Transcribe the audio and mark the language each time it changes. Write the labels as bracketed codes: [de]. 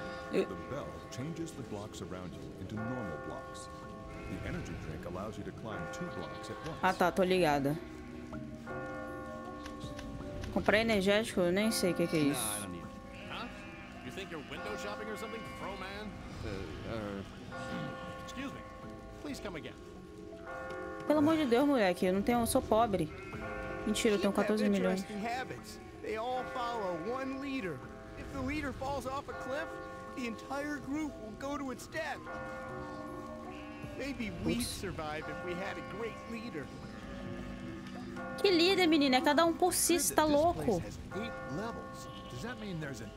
[en] The bell changes the blocks around you into normal blocks. The energy drink allows you to climb two blocks at once. [pt] Ah, tá, tô ligada. Comprei energético, nem sei o que é isso. [en] You think you're window shopping or something, fro man? Excuse me. Please come again. [pt] Pelo amor de Deus, moleque, eu não tenho, eu sou pobre. Mentira, eu tenho 14 milhões. [en] They all follow one leader. If the leader falls off a cliff, the entire group will go to its death. Maybe we survive if we had a great leader. [pt] Que líder, menina? É cada um por si, está louco. [en] Does that mean there's an